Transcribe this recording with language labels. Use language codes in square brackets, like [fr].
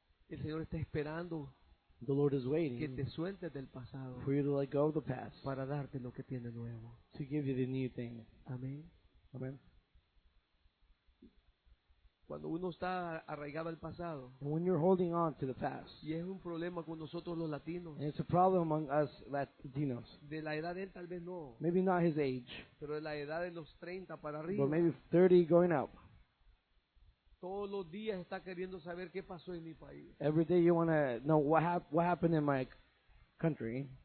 [es] El Señor está esperando, [en] the Lord is waiting, [es] que te sueltes del pasado, [en] for you to let go of the past, [es] para darte lo que tiene nuevo, [en] to give you the new thing. [es] Amén. [en] Amen. [es] Cuando uno está arraigado al pasado, [en] and when you're holding on to the past, [es] y es un problema con nosotros los latinos, [en] and it's a problem among us Latinos, [es] de la edad de él tal vez no, [en] maybe not his age, [es] pero de la edad de los 30 para arriba, [en] but maybe 30 going up, [es] todos los días está queriendo saber qué pasó en mi país. [en] Every day you want to know what happened in my country.